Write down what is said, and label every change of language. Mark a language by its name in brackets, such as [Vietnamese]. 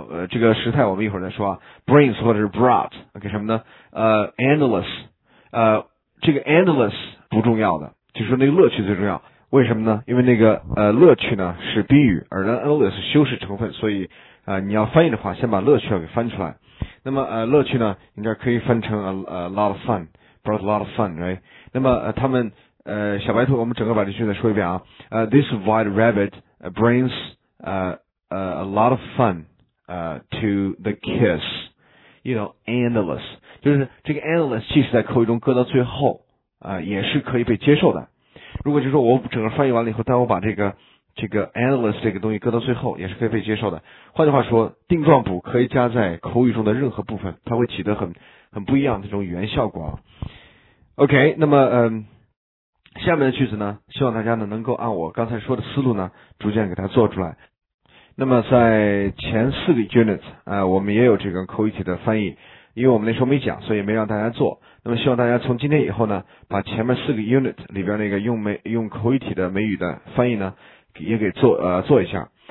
[Chinese] 这个时态我们一会儿再说啊， brings 或者是 brought OK 什么呢endless、这个 endless 不重要的，就是那个乐趣最重要，为什么呢，因为那个乐趣呢是宾语，而 endless 是修饰成分，所以你要翻译的话先把乐趣要给翻出来，那么乐趣呢应该可以翻成 lot of fun, [English] brought a lot of fun, right? [Chinese] 那么他们小白兔，我们整个把这句再说一遍啊。 [English] This white rabbit brings a lot of fun to the kids, you know, endless. [Chinese] 就是这个 endless 即使在口语中搁到最后也是可以被接受的。如果就是说我整个翻译完了以后，但我把这个 endless 这个东西搁到最后也是可以被接受的，换句话说定状补可以加在口语中的任何部分，它会起得很不一样的这种语言效果、啊、 OK 那么下面的句子呢，希望大家呢能够按我刚才说的思路呢逐渐给它做出来，那么在前四个 unit 我们也有这个口语体的翻译，因为我们那时候没讲所以没让大家做，那么希望大家从今天以后呢把前面四个 unit 里边那个用口语体的美语的翻译呢也给做一下，